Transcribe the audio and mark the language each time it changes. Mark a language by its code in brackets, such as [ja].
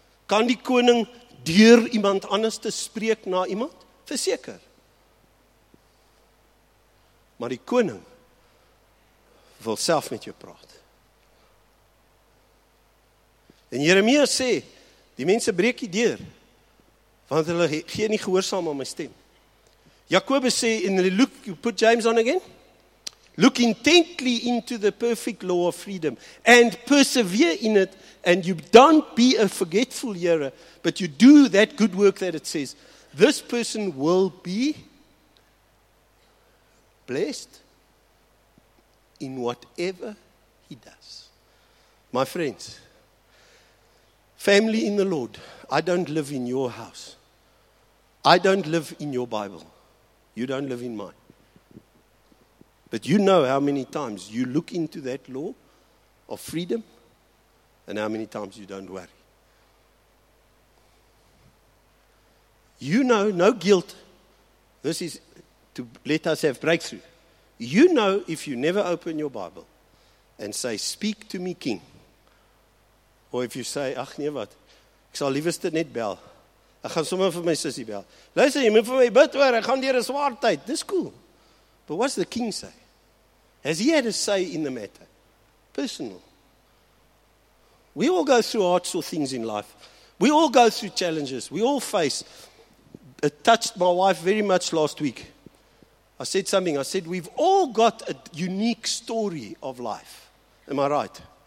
[af] Kan die koning deur iemand anders te spreek na iemand? Verseker. Maar die koning wil self met jou praat. En Jeremia sê, die mense breek die deur, want hulle gee nie gehoorsaam aan my stem. Jakobus sê, en hulle [en] look, you put James on again, look intently into the perfect law of freedom, and persevere in it, and you don't be a forgetful hearer, but you do that good work that it says. This person will be blessed in whatever he does. My friends, family in the Lord, I don't live in your house. I don't live in your Bible. You don't live in mine. But you know how many times you look into that law of freedom and how many times you don't worry. You know, no guilt. This is to let us have breakthrough. You know if you never open your Bible and say, speak to me, King. Or if you say, [af] ach nee wat, ek sal liefste net bel. Ek gaan sommer vir my sussie bel. Luister, jy moet vir my bid oor, ek gaan deur 'n swaar tyd. Dis [en] cool. But what's the king say? Has he had a say in the matter? Personal. We all go through hard sort of things in life. We all go through challenges. We all face. It touched my wife very much last week. I said something. I said, we've all got a unique story of life. Am I right?